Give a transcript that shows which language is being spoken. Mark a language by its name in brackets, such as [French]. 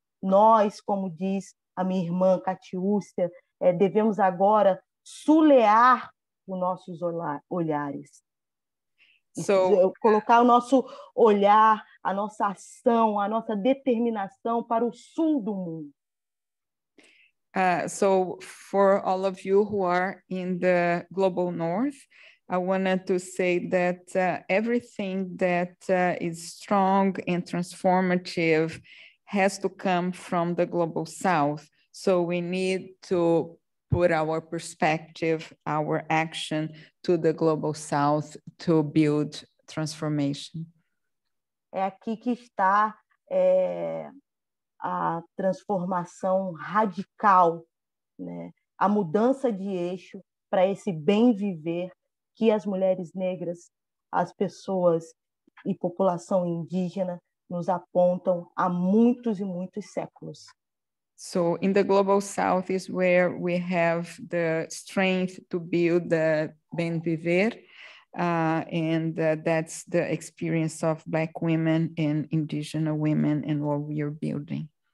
[Portuguese] Nós, como diz a minha irmã Catiúcia, devemos agora sulear os nossos olhares. Colocar o nosso olhar, a nossa ação, a nossa determinação para o sul do mundo. [English] So for all of you who are in the global north, I wanted to say that everything that is strong and transformative has to come from the global south. So we need to put our perspective, our action to the global south to build transformation. [Portuguese] É aqui que está a transformação radical, né? A mudança de eixo para esse bem viver que as mulheres negras, as pessoas e população indígena nos apontam há muitos e muitos séculos. [English] So in the global south is where we have the strength to build the bem viver, and that's the experience of black women and indigenous women and what we are building.